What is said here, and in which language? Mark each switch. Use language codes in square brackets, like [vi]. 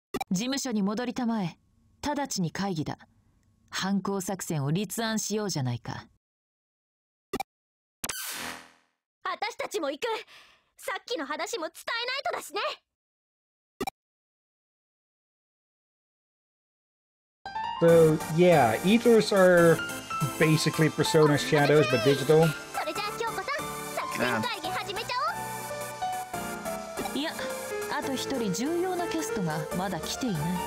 [ja] 事務所に戻りたまえ。直ちに会議だ。犯行作戦を立案しようじゃないか。私たちも行く。さっきの話も伝えないとだしね。 [en] So, yeah, eaters are basically persona shadows, but digital. [ja] それじゃあ、京子さん、作戦会議始めちゃおう。いや、あと一人重要なキャストがまだ来ていない。